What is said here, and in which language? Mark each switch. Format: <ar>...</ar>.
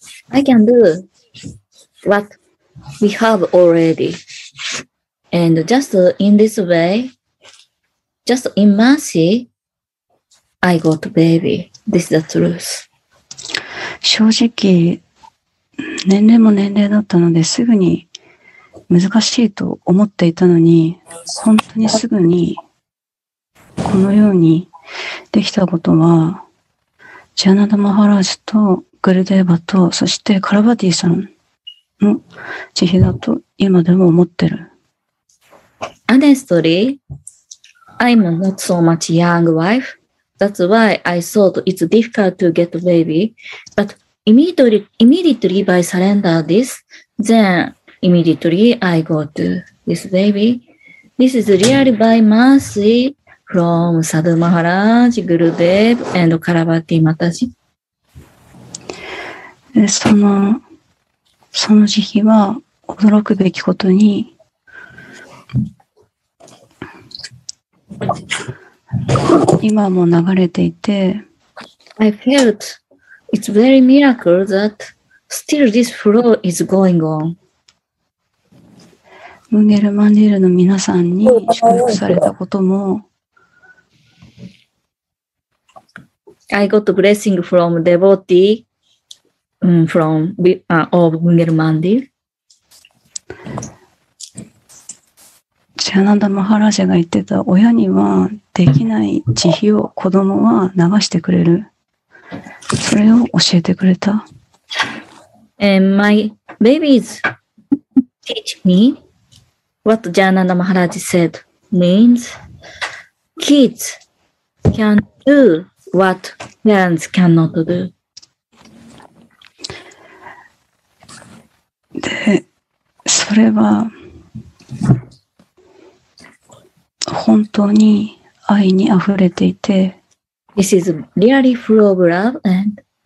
<en>I can do what we have already, and just in this way, just in mercy, I got baby. This is the truth.</en> <ja>正直年齢も年齢だったのですぐに。難しいと思っていたのに、本当にすぐにこのようにできたことは、ジャナダ・マハラージとグルデーバと、そしてカラバティさんの慈悲だと今でも思ってる。</ja> <en>Honestly, I'm not so much young wife. That's why I thought it's difficult to get a baby. But immediately by surrender this, then... Immediately, I got this baby. This is really by mercy from Sadhu Maharaj, Gurudev, and Karabati Mataji.</en> <ja>その慈悲は驚くべきことに、今も流れていて、</ja> <en>I felt it's very miracle that still this flow is going on.</en> <ja>ムンゲルマンディルの皆さんに祝福されたことも</ja> <en>I got a blessing from devotee from of ムンゲルマンディル</en> <ja>ジャナダマハラジャが言ってた親にはできない慈悲を子供は流してくれるそれを教えてくれた</ja> <en>And my babies teach meWhat Jnana Maharaj said means kids can do what parents cannot do.</en> <ja>で、それは本当に愛にあふれていて。</ja> <en>This is really full of love and</en>